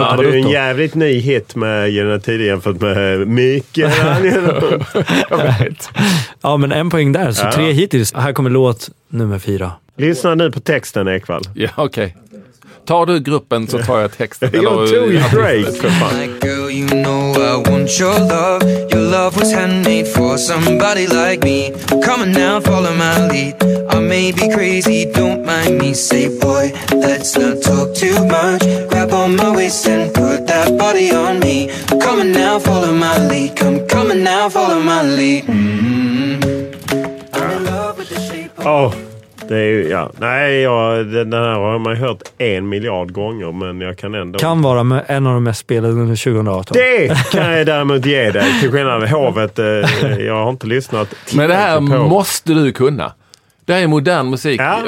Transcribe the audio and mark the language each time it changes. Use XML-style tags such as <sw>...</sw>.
<sv>Barutto. Ja, det är ju en jävligt nyhet med Gyllene Tider jämfört med Micke. Jag vet. Ja, men en poäng där. Så tre hittills. Här kommer låt nummer 4. Lyssna nu på texten, Ekwall. Ja, okej. Okay. Tar du gruppen så tar jag texten. Jag tog ju Drake.</sv> <en>You know I want your love. Your love was handmade for somebody like me. Come on now, follow my lead. I may be crazy, don't mind me. Say boy, let's not talk too much. Grab on my waist and put that body on me. Come on now, follow my lead. Come, come on now, follow my lead. Mm-hmm. I'm in love with the shape of... Oh.</en> <sv>Det är ju, ja. Nej, den här har man hört 1 miljard gånger, men jag kan ändå... Kan vara med en av de mest spelade under 2018. Det kan jag däremot ge dig, till skillnad med hovet. Jag har inte lyssnat. Men det här måste du kunna. Det här är modern musik. Ja,</sv>